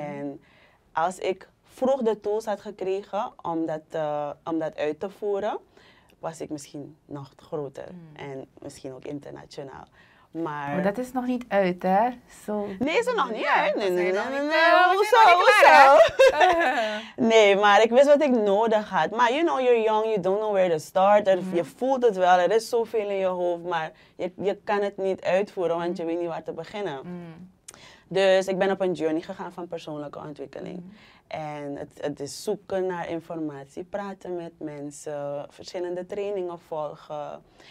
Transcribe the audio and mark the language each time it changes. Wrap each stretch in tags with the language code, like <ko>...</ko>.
<nl>En als ik vroeg de tools had gekregen om dat uit te voeren, was ik misschien nog groter. Mm. En misschien ook internationaal. Maar dat is nog niet uit, hè? So... Nee, is er nog niet uit. Hoezo? Nee, maar ik wist wat ik nodig had. Maar</nl> <en>you know, you're young, you don't know where to start.</en> <nl>Je voelt het wel, er is zoveel in je hoofd. Maar je kan het niet uitvoeren, want je weet niet waar te beginnen. Dus ik ben op een journey gegaan van persoonlijke ontwikkeling. En het is zoeken naar informatie, praten met mensen, verschillende trainingen volgen.</nl>